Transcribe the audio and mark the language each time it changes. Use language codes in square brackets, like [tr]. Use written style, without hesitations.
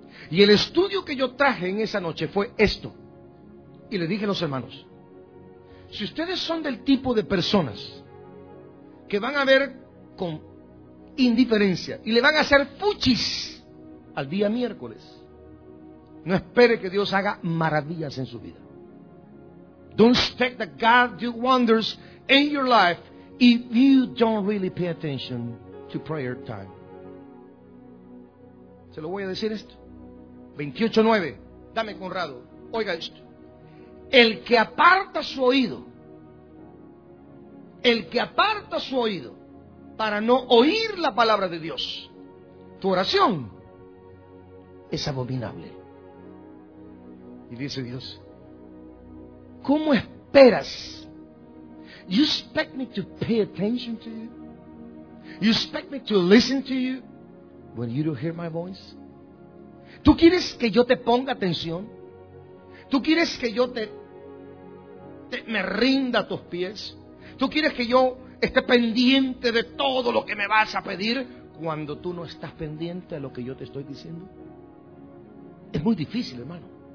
[es] Y el estudio que yo traje en esa noche fue esto. Y le dije a los hermanos, si ustedes son del tipo de personas que van a ver con indiferencia y le van a hacer fuchis al día miércoles, no espere que Dios haga maravillas en su vida. [en] Don't expect that God do wonders in your life if you don't really pay attention to prayer time. [es] Se lo voy a decir esto. 28:9. Dame, Conrado. Oiga esto. El que aparta su oído para no oír la palabra de Dios, tu oración es abominable. Y dice Dios, ¿cómo esperas? [en] You expect me to pay attention to you? You expect me to listen to you when you don't hear my voice? [es] ¿Tú quieres que yo te ponga atención? ¿Tú quieres que yo me rinda a tus pies? ¿Tú quieres que yo esté pendiente de todo lo que me vas a pedir cuando tú no estás pendiente a lo que yo te estoy diciendo? Es muy difícil, hermano.